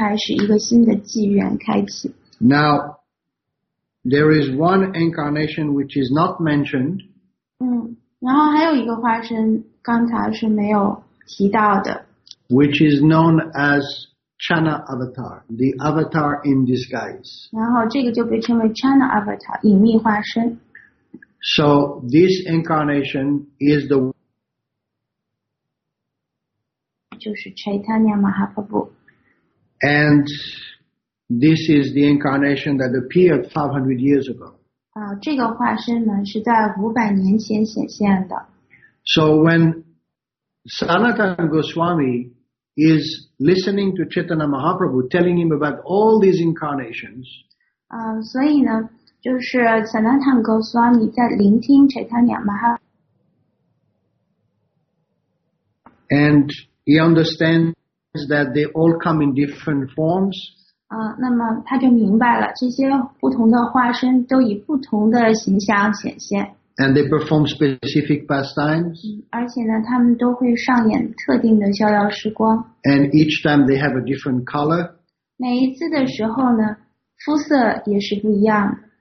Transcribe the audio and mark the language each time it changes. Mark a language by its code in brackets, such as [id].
[zh] 然后呢，一切再重新开始，一个新的纪元开启。 [en] Now, there is one incarnation which is not mentioned. [zh] 然后还有一个化身，刚才是没有提到的。 [en] Which is known as Channa Avatar, the Avatar in disguise. [zh] 然后这个就被称为Channa Avatar, 隐秘化身。 [en] So, this incarnation is the [zh] 就是 Chaitanya Mahaprabhu. [en] And this is the incarnation that appeared 500 years ago. [zh] 这个化身呢是在500年前显现的。 [en] So when Sanatana Goswami is listening to Chaitanya Mahaprabhu telling him about all these incarnations, [zh] 所以呢就是 Sanatana Goswami 在聆听 Chaitanya Mahaprabhu [en] and he understands that they all come in different forms. [zh] 那么他就明白了，这些不同的化身都以不同的形象显现。 [en] And they perform specific pastimes. [zh] 而且呢，他们都会上演特定的逍遥时光。 [en] And each time they have a different color. [zh] 每一次的时候呢，肤色也是不一样。